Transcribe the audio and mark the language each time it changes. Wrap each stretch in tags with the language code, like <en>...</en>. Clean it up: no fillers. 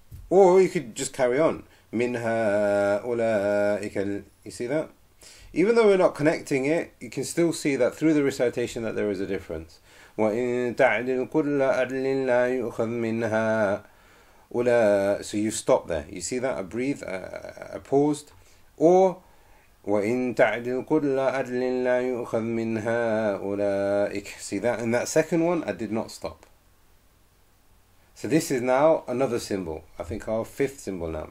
<en>Or you could just carry on.</en> <ar>منها أولئك.</ar> <en>You see that? Even though we're not connecting it, you can still see that through the recitation that there is a difference.</en> <ar>وإن تعدل كل عدل لا يؤخذ منها.</ar> <en>So you stop there. You see that? I breathe, I paused. Or,</en> <ar>وَإِن تَعْدِلْ كُلَّ عَدْلٍ لَا يُؤْخَذْ مِنْهَا أُولَٰئِكَ.</ar> <en>See that? In that second one, I did not stop. So this is now another symbol. I think our fifth symbol now.</en>